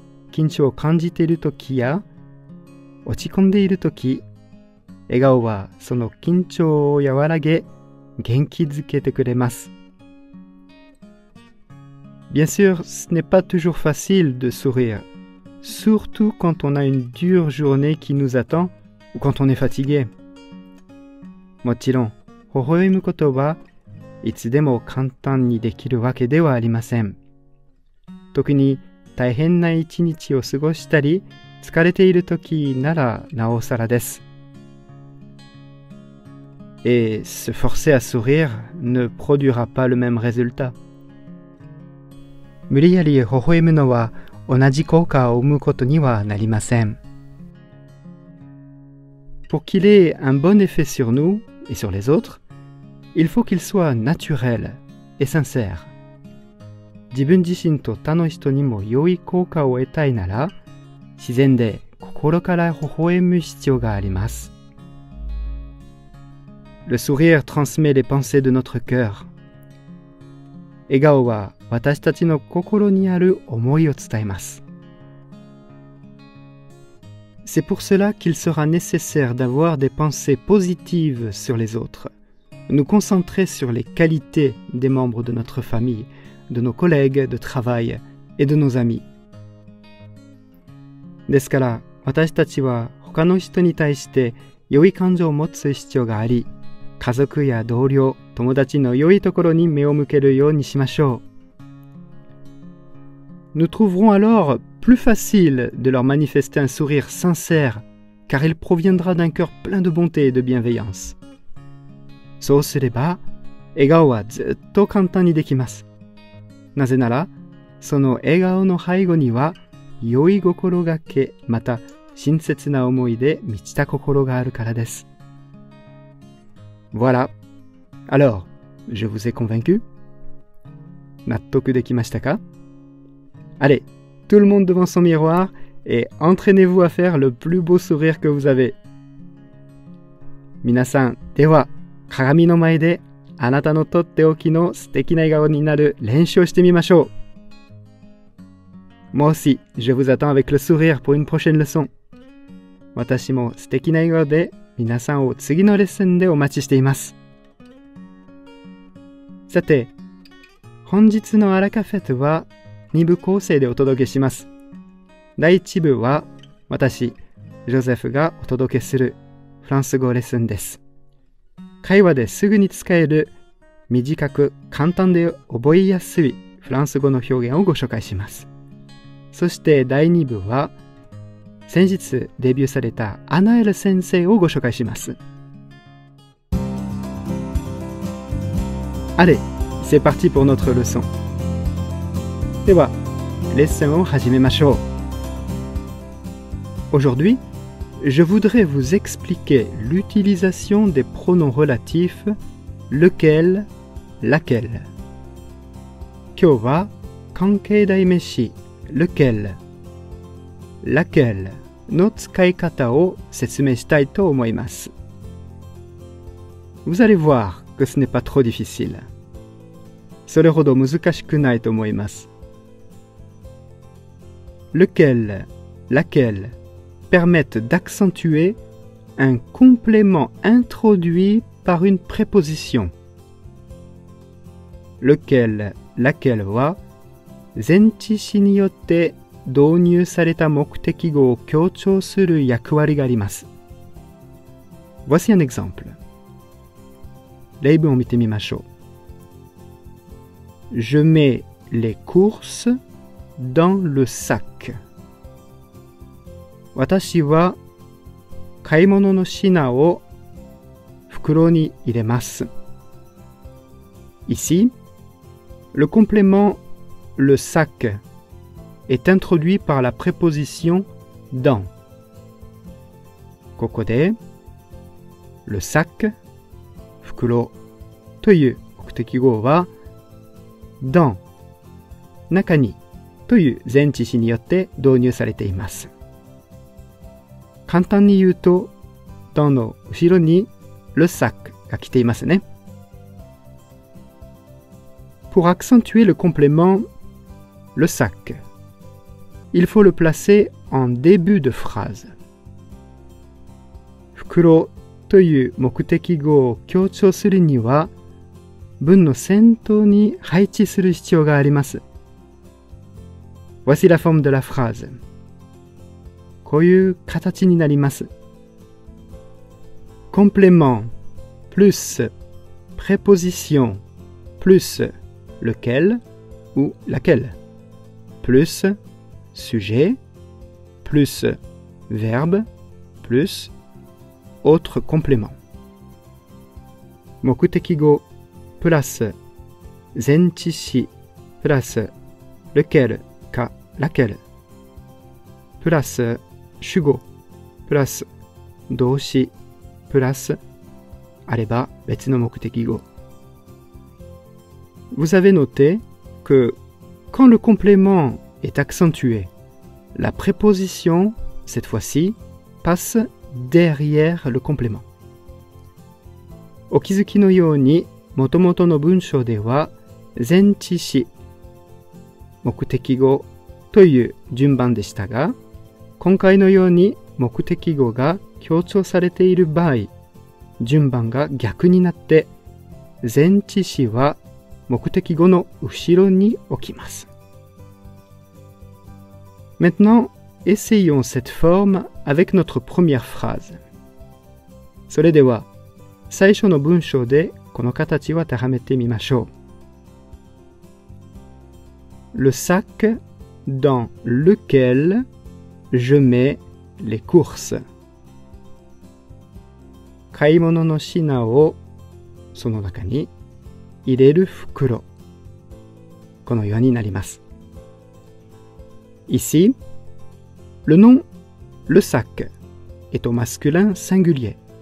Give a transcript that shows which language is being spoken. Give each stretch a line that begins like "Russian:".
Japanese: 緊張を感じているときや落ち込んでいるとき、笑顔はその緊張を和らげ元気づけてくれます。
French: Bien sûr, ce n'est pas toujours facile de sourire, surtout quand on a une dure journée qui nous attend ou quand on est fatigué.
Japanese: もちろん、微笑むことはいつでも簡単にできるわけではありません。特に大変な一日を過ごしたり、疲れている時ならなおさらです。
French: Et se forcer à sourire ne produira pas le même résultat.
Japanese: 無理やり微笑むのは同じ効果を生むことにはなりません。
French: Pour qu'il ait un bon effet sur nous et sur les autres, il faut qu'il soit naturel et sincère.
Japanese: 自分自身と他の人にも良い効果を得たいなら、自然で心心から微笑む必要があります。
French: Le sourire transmet les pensées de notre cœur.
Japanese: 笑顔は私たちの心にある思いを伝えます。
French: C'est pour cela qu'il sera nécessaire d'avoir des pensées positives sur les autres, nous concentrer sur les qualités des membres de notre famille, de nos collègues de travail et de nos amis.
Japanese: ですから、私たちは他の人に対して良い感情を持つ必要があり、家族や同僚、友達の良いところに目を向けるようにしましょう。
French: Nous trouverons alors plus facile de leur manifester un sourire sincère, car il proviendra d'un cœur plein de bonté et de bienveillance.
Japanese: そうすれば、笑顔はずっと簡単にできます。なぜなら、その笑顔の背後には、良い心がけ、また親切な思いで満ちた心があるからです。
French: Voilà. Alors, je vous ai convaincu?
Japanese: 納得できましたか？
French: Allez, tout le monde devant son miroir et entraînez-vous à faire le plus beau sourire que vous avez.
Japanese: 皆さん、では、鏡の前であなたのとっておきの素敵な笑顔になる練習をしてみましょう。
French: Moi aussi, je vous attends avec le sourire pour une prochaine leçon.
Japanese: 私も素敵な笑顔で皆さんを次のレッスンでお待ちしています。さて、本日のアラカフェテは2部構成でお届けします。第1部は私、ジョゼフがお届けするフランス語レッスンです。会話ですぐに使える短く簡単で覚えやすいフランス語の表現をご紹介します。そして第2部は先日デビューされたアナエル先生をご紹介します。
French: Allez, c'est parti pour notre leçon.
Japanese: では、レッスンを始めましょう。
French: Aujourd'hui, je voudrais vous expliquer l'utilisation des pronoms relatifs lequel, laquelle.
Japanese: 今日は関係代名詞lequel, laquelle の使い方を説明したいと思います。
French: Vous allez voir que ce n'est pas trop difficile.
Japanese: それほど難しくないと思います。
French: Lequel, laquelle permettent d'accentuer un complément introduit par une préposition.
Japanese: Lequel, laquelle は前置詞によって導入された目的語を強調する役割があります。
French: Voici un exemple.
Japanese: 例文を見てみましょう。
French: Je mets les courses dans le sac.
Japanese: 私は買い物の品を袋に入れます。
French: Ici, le complément le sac est introduit par la préposition dans.
Japanese: ここで、le sac, 袋という目的語は、dans, 中にという前置詞によって導入されています。簡単に言うと、dans の後ろに le sac が来ていますね。
French: Pour accentuer le complément le sac, il faut le placer en début de phrase.
Japanese: 袋という目的語を強調するには、文の先頭に配置する必要があります。
French: Voici la forme de la phrase.
Japanese: こういう形になります。
French: Complément plus préposition plus lequel ou laquelle plus sujet plus verbe plus autre complément.
Japanese: 目的語プラス前置詞プラス lequel か laquelle プラス主語プラス動詞プラスあれば別の目的語。
French: Vous avez noté que quand le complément est accentué, la préposition cette fois-ci, passe derrière le complément.
Japanese: お気づきのように、もともとの文章では、前置詞、目的語という順番でしたが、今回のように目的語が強調されている場合、順番が逆になって、前置詞は目的語の後ろに置きます。
French: Maintenant, essayons cette forme avec notre première phrase.
Japanese: それでは、最初の文章でこの形を当てはめてみましょう。
French: Le sac dans lequel je mets les courses.
Japanese: 買い物の品をその中に入れる袋。このようになります。
French: Ici, le nom le sac est au masculin singulier.